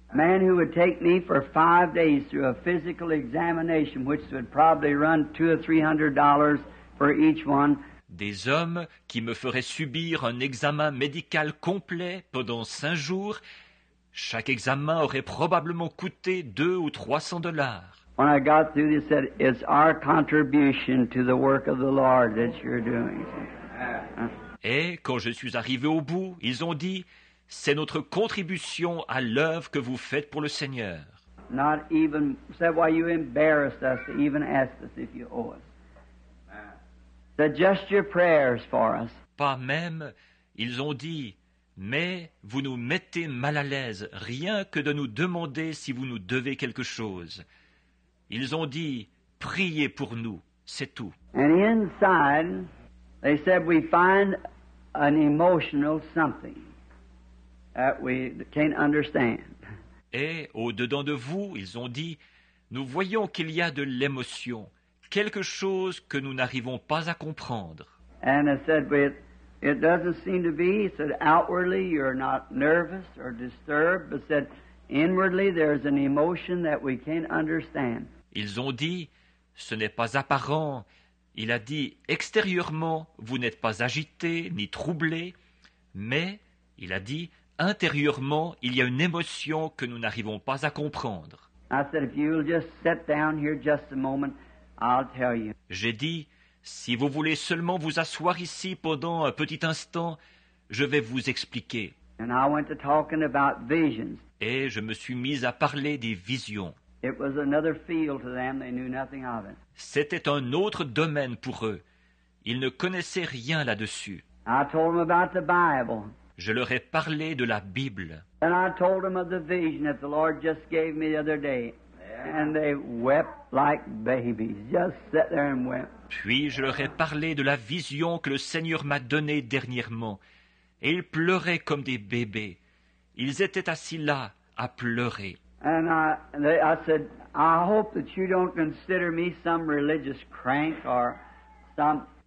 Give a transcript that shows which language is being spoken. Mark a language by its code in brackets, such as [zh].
[en] Man who would take me for 5 days through a physical examination, which would probably run $200 or $300 for each one. [fr] Des hommes qui me feraient subir un examen médical complet pendant 5 jours. Chaque examen aurait probablement coûté $200 or $300. [en] When I got through, they said, "It's our contribution to the work of the Lord that you're doing." [fr] Et quand je suis arrivé au bout, ils ont dit, "C'est notre contribution à l'œuvre que vous faites pour le Seigneur." [en] Not even said why you embarrassed us to even ask us if you owe us. Said just your prayers for us. [fr] Pas même, ils ont dit, mais vous nous mettez mal à l'aise rien que de nous demander si vous nous devez quelque chose. Ils ont dit, priez pour nous, c'est tout. [en] And inside, they said we find an emotional something that we can't understand. [fr] Et au-dedans de vous, ils ont dit, nous voyons qu'il y a de l'émotion, quelque chose que nous n'arrivons pas à comprendre. [en] And I said, but it doesn't seem to be. He said, outwardly, you're not nervous or disturbed, but said, inwardly, there's an emotion that we can't understand. [fr] Ils ont dit, ce n'est pas apparent. Il a dit, extérieurement, vous n'êtes pas agité ni troublé, mais, il a dit, intérieurement, il y a une émotion que nous n'arrivons pas à comprendre. [en] I said, if you'll just sit down here just a moment, I'll tell you. [fr] J'ai dit, si vous voulez seulement vous asseoir ici pendant un petit instant, je vais vous expliquer. [en] And I went to talking about visions. [fr] Et je me suis mis à parler des visions. [en] It was another field to them. They knew nothing of it. [fr] C'était un autre domaine pour eux. Ils ne connaissaient rien là-dessus. [en] I told them about the Bible. [fr] Je leur ai parlé de la Bible. [en] And I told them of the vision that the Lord just gave me the other day. And they wept like babies, just sat there and wept. [fr] Puis je leur ai parlé de la vision que le Seigneur m'a donnée dernièrement. Et ils pleuraient comme des bébés. Ils étaient assis là, à pleurer. [en] And I said, I hope that you don't consider me some religious crank or some...